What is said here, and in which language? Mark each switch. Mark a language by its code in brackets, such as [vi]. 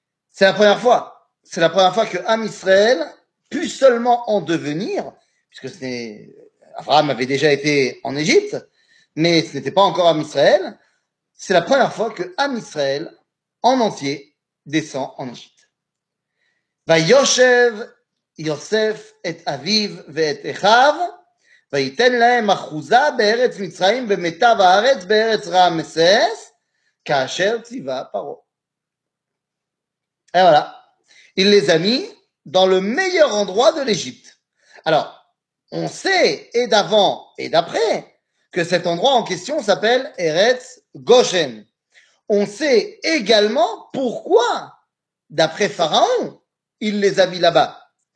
[fr] C'est la première fois. C'est la première fois que Am Israël, plus seulement en devenir, puisque Abraham avait déjà été en Égypte, mais ce n'était pas encore Am Israël. C'est la première fois que Am Israël en entier descend en Égypte. [he] Vayoshev Yosef et Aviv ve'et Echav, ויתן להם אחוזה בארץ מצרים במיטב הארץ בארץ רעמסס כאשר ציווה פרעה. [fr] Et voilà. Il les a mis dans le meilleur endroit de l'Égypte. Alors, on sait, et d'avant et d'après, que cet endroit en question s'appelle Eretz Goshen. On sait également pourquoi, d'après Pharaon, il les a mis là-bas.